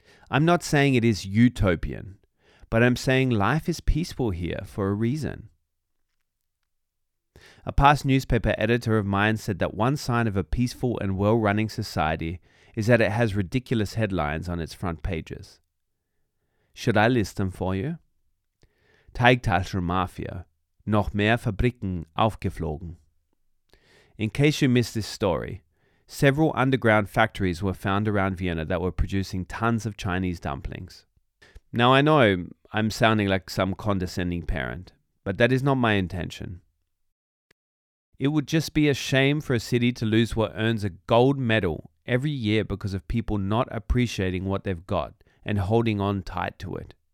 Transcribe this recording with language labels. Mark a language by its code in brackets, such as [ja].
[en] I'm not saying it is utopian, but I'm saying life is peaceful here for a reason. A past newspaper editor of mine said that one sign of a peaceful and well-running society is that it has ridiculous headlines on its front pages. Should I list them for you? [de] Teigtaschen Mafia, noch mehr Fabriken aufgeflogen. [en] In case you missed this story, several underground factories were found around Vienna that were producing tons of Chinese dumplings. Now I know I'm sounding like some condescending parent, but that is not my intention. It would just be a shame for a city to lose what earns a gold medal every year because of people not appreciating what they've got and holding on tight to it.